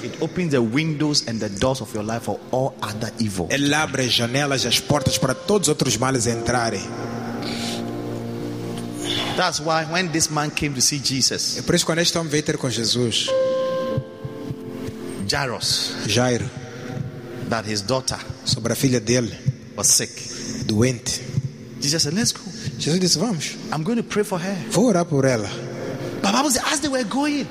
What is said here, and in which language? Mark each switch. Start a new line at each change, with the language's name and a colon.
English: it opens the windows and the doors of your life for all other evil.
Portuguese: Ele abre as janelas e as portas para todos os outros males entrarem.
English: That's why when this man came to see Jesus,
Portuguese: é por isso quando este homem veio ter com Jesus,
English: Jairo. That his daughter,
Portuguese: sobre a filha dele,
English: was sick,
Portuguese: doente.
English: Jesus said, "Let's go."
Portuguese: Jesus disse, "Vamos."
English: I'm going to pray for her.
Portuguese: Vou orar por ela.
English: But Bible says, as they were going,